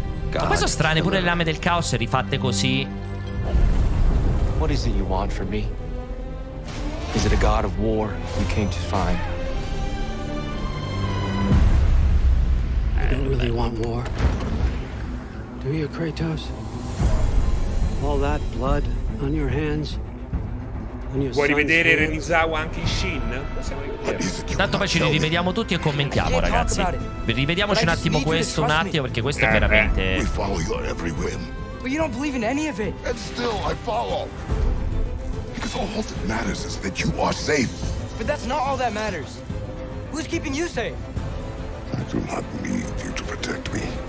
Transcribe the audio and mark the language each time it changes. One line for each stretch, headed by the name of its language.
Italian: God. Ma questo è strano, pure le lame del caos rifatte così.
English: What is it you want from me? Is it a god of war you came to find? I don't really want war. Do you, Kratos? All that blood on your hands.
Italian: Vuoi rivedere Renizawa anche in Shin? Tanto poi ci rivediamo tutti e commentiamo, ragazzi. Rivediamoci un attimo questo, un attimo, perché questo è veramente.
English: We follow your every whim. But you don't believe in any of it. And still I follow. Because all that matters is that you are safe. But that's not all that matters. Who's keeping you safe? I do not need you to protect me.